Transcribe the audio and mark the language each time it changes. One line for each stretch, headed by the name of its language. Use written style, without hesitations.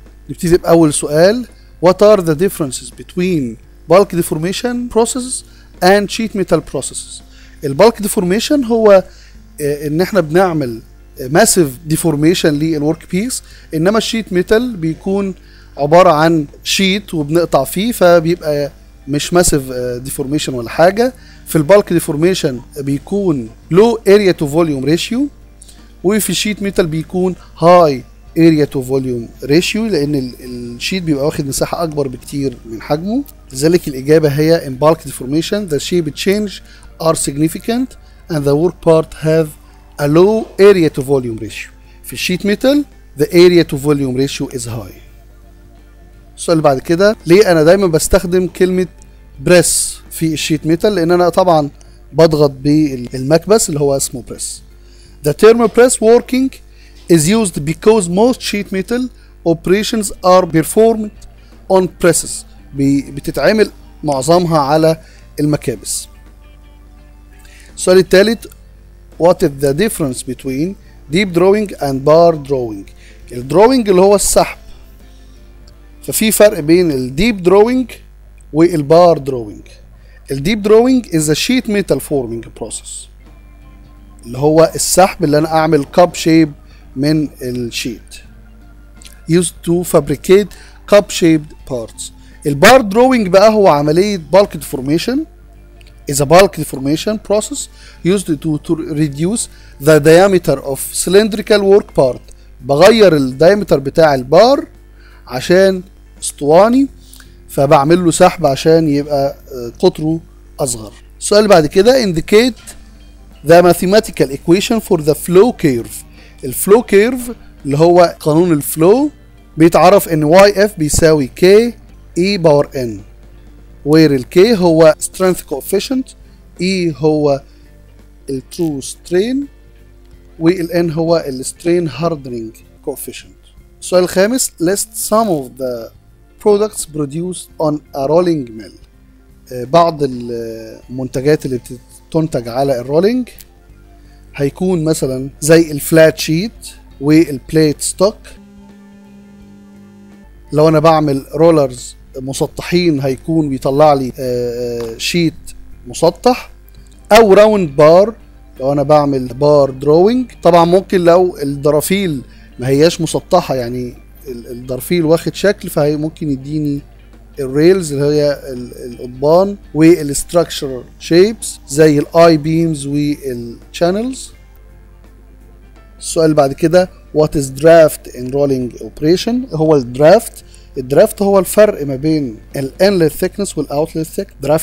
Arabic: نبتدي باول سؤال:
English: What are the differences between bulk deformation processes and sheet metal processes؟
Arabic: البالك ديفورميشن هو ان احنا بنعمل ماسيف ديفورميشن للورك بيس، انما الشيت ميتال بيكون عباره عن شيت وبنقطع فيه فبيبقى مش ماسيف ديفورميشن ولا حاجه. في البالك ديفورميشن بيكون لو اريا تو فوليوم ريشيو، وفي الشيت ميتال بيكون هاي اريا تو فوليوم ريشيو لان الشيت بيبقى واخد مساحه اكبر بكتير من حجمه. لذلك الاجابه هي ان
English: Bulk deformation the shape change are significant and the work part have a low area to volume ratio.
Arabic: في الشيت ميتال
English: the area to volume ratio is high.
Arabic: السؤال بعد كده: ليه انا دايما بستخدم كلمة بريس في الشيت ميتال؟ لان انا طبعا بضغط بالمكبس اللي هو اسمه بريس.
English: The term press working is used because most sheet metal operations are performed on presses.
Arabic: بتتعمل معظمها على المكابس. السؤال الثالث:
English: What is the difference between deep drawing and bar drawing؟
Arabic: الدروينج اللي هو السحب، ففي فرق بين الديب دروينج والبار دروينج. الديب دروينج
English: is a sheet metal forming process
Arabic: اللي هو السحب اللي انا اعمل cup shape من الشيت.
English: Used to fabricate cup shaped parts.
Arabic: البار دروينج بقى هو عملية bulk deformation.
English: Is a bulk deformation process used to reduce the diameter of cylindrical work part.
Arabic: بغير الديامتر بتاع البار عشان اسطواني فبعمل له سحب عشان يبقى قطره اصغر. السؤال بعد كده:
English: indicate the mathematical equation for the flow curve.
Arabic: الفلو كيرف اللي هو قانون الفلو بيتعرف ان yf بيساوي k e باور n، where ال-K هو strength coefficient، E هو true strain، وال-N هو strain hardening coefficient. السؤال الخامس:
English: list some of the products produced on a rolling mill.
Arabic: بعض المنتجات اللي بتنتج على الرولينج هيكون مثلا زي الفلات شيت والبليت ستوك. لو انا بعمل رولرز مسطحين هيكون بيطلع لي شيت مسطح، او راوند بار لو انا بعمل بار دروينج. طبعا ممكن لو الدرافيل ما هياش مسطحة، يعني الدرافيل واخد شكل، فهي ممكن يديني الريلز اللي هي القضبان والستركشر شيبس زي الاي بيمز والشانلز. السؤال بعد كده:
English: What is draft in rolling operation؟
Arabic: هو الدرافت. الدرافت هو الفرق ما بين الـ inlet thickness والـ outlet thickness.